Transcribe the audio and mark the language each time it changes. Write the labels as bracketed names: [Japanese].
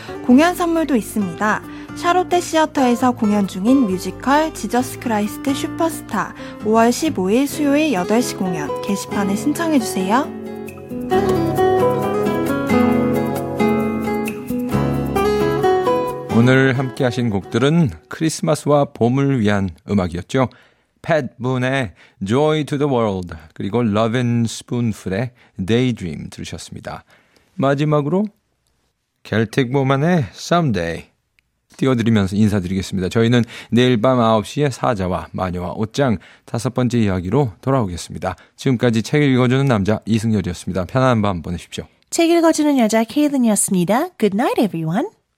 [Korean] 공연 선물도 있습니다. 샤롯데 시어터에서 공연 중인 뮤지컬 지저스 크라이스트 슈퍼스타 5월 15일 수요일 8시 공연 게시판에 신청해주세요. 오늘 함께 하신 곡들은 크리스마스와 봄을 위한 음악이었죠. 팻 문의 Joy to the World 그리고 Love and Spoonful의 Daydream 들으셨습니다. 마지막으로 겔틱 보만의 Someday 띄워드리면서 인사드리겠습니다. 저희는 내일 밤 9시에 사자와 마녀와 옷장 다섯 번째 이야기로 돌아오겠습니다. 지금까지 책 읽어주는 남자 이승열이었습니다. 편안한 밤 보내십시오. 책 읽어주는 여자 케이든이었습니다. [English] Good night, everyone.